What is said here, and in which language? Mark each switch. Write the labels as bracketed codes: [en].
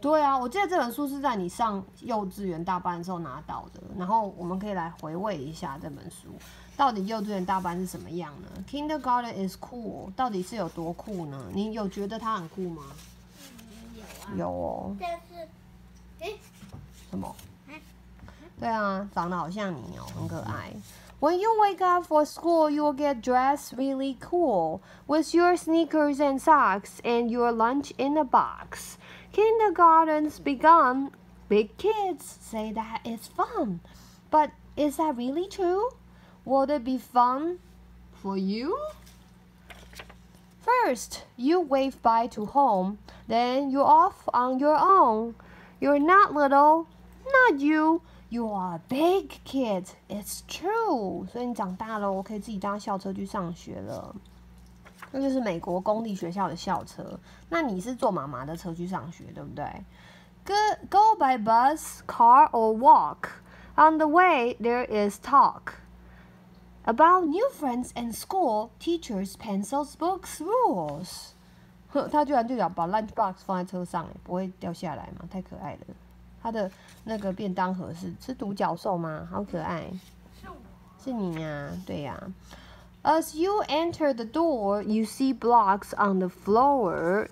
[zh] 对啊，我记得这本书是在你上幼稚园大班的时候拿到的，然后我们可以来回味一下这本书，到底幼稚园大班是什么样呢？ [en] Kindergarten is cool， [zh] 到底是有多酷呢？你有觉得它很酷吗？嗯，有啊。有哦。但是，什么？对啊，长得好像你哦，很可爱。 [en] When you wake up for school, you'll get dressed really cool with your sneakers and socks and your lunch in a box. Kindergarten's begun. Big kids say that it's fun. But is that really true? Would it be fun for you? First, you wave bye to home. Then you're off on your own. You're not little, not you. You are a big kid. It's true. [zh] 所以你长大了，我可以自己搭校车去上学了。那就是美国公立学校的校车。那你是坐妈妈的车去上学，对不对？ [en] Go by bus, car, or walk. On the way, there is talk about new friends and school, teachers, pencils, books, rules. [zh] 他居然就要把 lunchbox 放在车上，不会掉下来吗？太可爱了。他的那个便当盒是独角兽吗？好可爱，是你呀、啊，对呀、啊。 [en] As you enter the door, you see blocks on the floor.